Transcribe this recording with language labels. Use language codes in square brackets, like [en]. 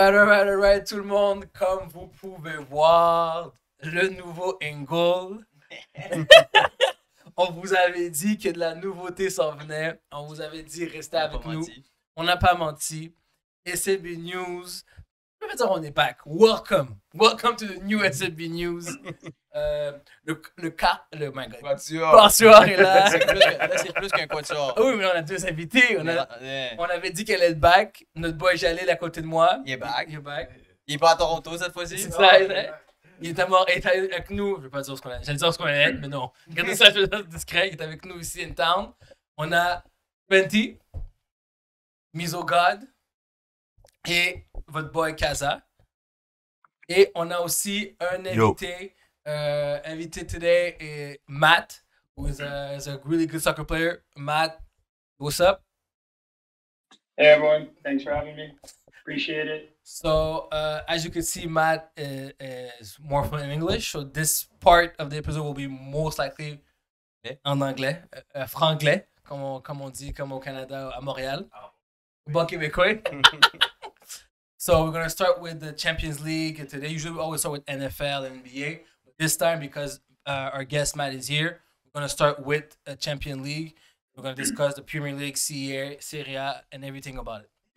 [fr] Alright, tout le monde, comme vous pouvez voir, le nouveau angle. On vous avait dit que de la nouveauté s'en venait. On vous avait dit restez avec nous. On n'a pas menti. SFB News. Je peux pas dire on est back. [en] Welcome. Welcome to the new SFB News. Le my God. [fr] Quatuor est là. C'est plus qu'un quatuor. Oui, mais on a deux invités. On avait dit qu'elle est back. Notre boy Jalil à côté de moi. Il est back. Il est pas à Toronto cette fois-ci. C'est ça, il est back. Il est à mort, il est avec nous, je vais pas dire ce qu'on est, j'allais dire ce qu'on est, mais non. Regardez ça, je vais être discret, il est avec nous ici [en] in town. [fr] On a Fenty, Miso God, et votre boy Kaza. Et on a aussi un invité, invité today, et Matt, [en] who is a really good soccer player. Matt, what's up? Hey everyone, thanks for having me. Appreciate it. So, as you can see, Matt is more fluent in English. So, this part of the episode will be most likely [fr] en anglais, franglais, comme on dit, comme au Canada, à Montréal. Oh. Bon québécois. [en] So, we're going to start with the Champions League today. Usually, we always start with NFL and NBA. But this time, because our guest Matt is here, we're going to start with a Champions League. We're going to discuss the Premier League, Serie A, and everything about it.